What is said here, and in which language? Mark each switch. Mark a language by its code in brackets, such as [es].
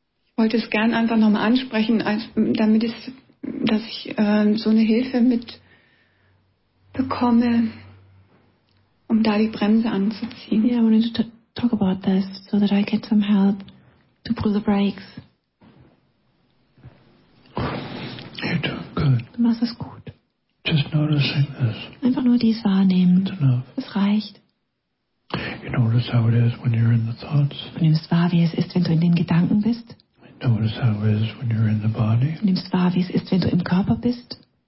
[de] Ich wollte es gern einfach nochmal ansprechen, dass ich so eine Hilfe mit bekomme, um da die Bremse anzuziehen. [en] Yeah, I wanted to talk about this, so that I get some help to pull the brakes. You're doing good. [de] Du machst es gut. [en] Just noticing this. [de] Einfach nur dies wahrnehmen. [en] That's enough. [de] Es reicht. [en] You notice how it is when you're in the thoughts. [de] Du nimmst wahr, wie es ist, wenn du in den Gedanken bist. [en] Notice how it is when you're in the body. [de] Nimmst wahr, wie es ist, wenn du im Körper bist.